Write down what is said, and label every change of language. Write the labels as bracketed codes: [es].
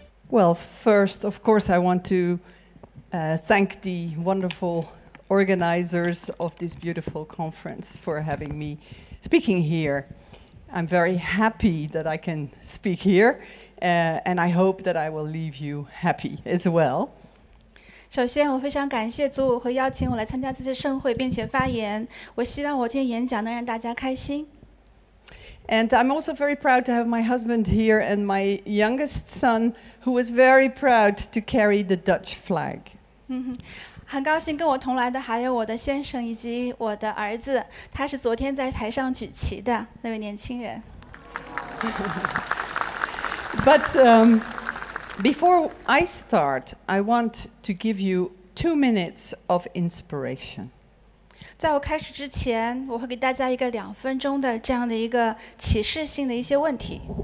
[en] Well, first, of course, I want to thank the wonderful organizers of this beautiful conference for having me speaking here. I'm very happy that I can speak here, and I hope that I will leave you happy as well. [zh] 首先，我非常感谢组委会邀请我来参加这次盛会，并且发言。我希望我今天演讲能让大家开心。 [en] And I'm also very proud to have my husband here and my youngest son, who was very proud to carry the Dutch flag. [zh] 很高兴跟我同来的还有我的先生以及我的儿子，他是昨天在台上举旗的那位年轻人。 [en] But before I start, I want to give you 2 minutes of inspiration. [zh] 在我开始之前，我会给大家一个2分钟的这样的一个启示性的一些问题。